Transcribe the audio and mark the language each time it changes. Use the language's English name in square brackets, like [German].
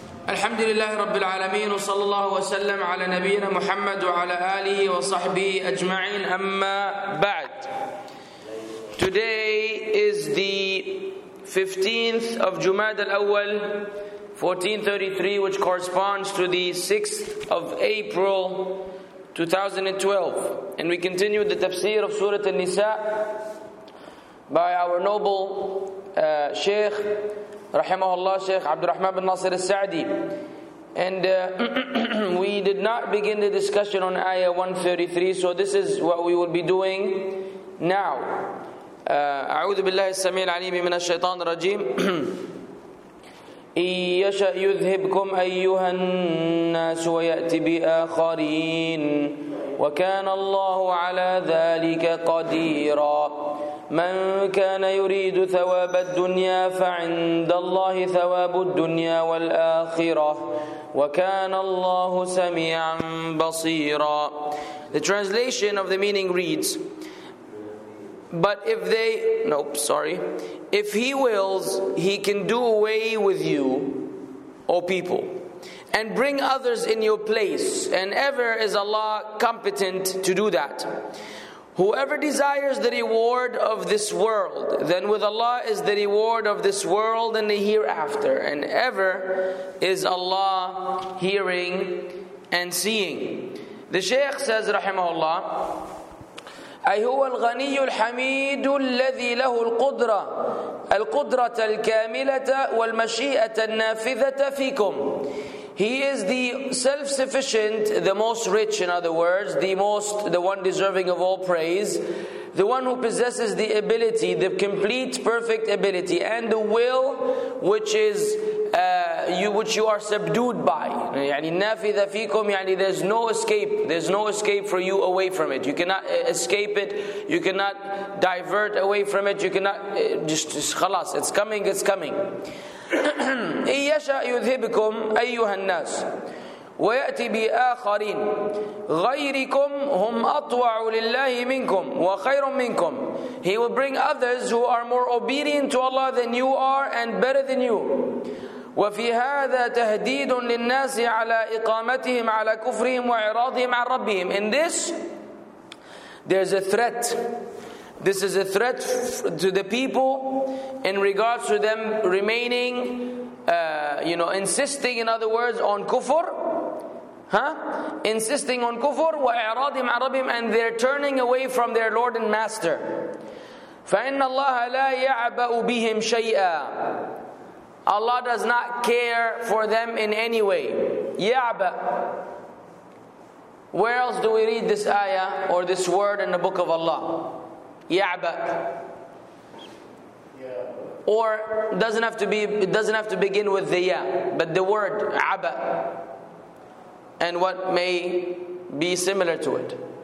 [Arabic] الحمد لله رب العالمين وصلى الله وسلم على نبينا محمد وعلى آله وصحبه أجمعين أما بعد. [English] Today is the 15th of Jumad al-Awwal 1433, which corresponds to the 6th of April 2012. And we continue the tafsir of Surah An-Nisa by our noble Shaykh Rahimahullah, Shaykh Abdurrahman bin Nasir al-Sa'di. And we did not begin the discussion on Ayah 133, so this is what we will be doing now. [Arabic] أعوذ بالله السميع العليم من الشيطان الرجيم إن يشأ يذهبكم أيها الناس ويأتي بآخرين وكان الله على ذلك قديرا من كان يريد ثواب الدنيا فعند الله ثواب الدنيا والآخرة وكان الله سميعا بصيرا. [English] The translation of the meaning reads, but if they, if he wills, he can do away with you, O people, and bring others in your place, and ever is Allah competent to do that. Whoever desires the reward of this world, then with Allah is the reward of this world and the hereafter, and ever is Allah hearing and seeing. The Shaykh says, rahimahullah, [Arabic] أي هو الغني الحميد الذي له القدرة القدرة الكاملة والمشيئة النافذة فيكم. [English] He is the self-sufficient, the most rich, in other words, the most, the one deserving of all praise, the one who possesses the ability, the complete, perfect ability, and the will which is which you are subdued by. [Arabic] يعني نافذة فيكم, يعني [English] there's no escape. There's no escape for you away from it. You cannot escape it. You cannot divert away from it. You cannot just خلاص. It's coming. It's coming. [Arabic] إن يشأ يذهبكم أيها الناس ويأتي بآخرين غيركم هم أطوع لله منكم وخير منكم. [English] He will bring others who are more obedient to Allah than you are and better than you. [Arabic] وفي هذا تهديد للناس على إقامتهم على كفرهم وإعراضهم عن ربهم. [English] In this, there's a threat. This is a threat to the people in regards to them remaining, insisting, in other words, on kufr. Huh? Insisting on kufr [Arabic] وإعراضهم عن ربهم, [English] and they're turning away from their Lord and Master. [Arabic] فإن الله لا يعبأ بهم شيئا. [English] Allah does not care for them in any way. Ya'ba. Where else do we read this ayah or this word in the book of Allah? Ya'ba. Or it doesn't have to begin with the ya, but the word aba and what may be similar to it.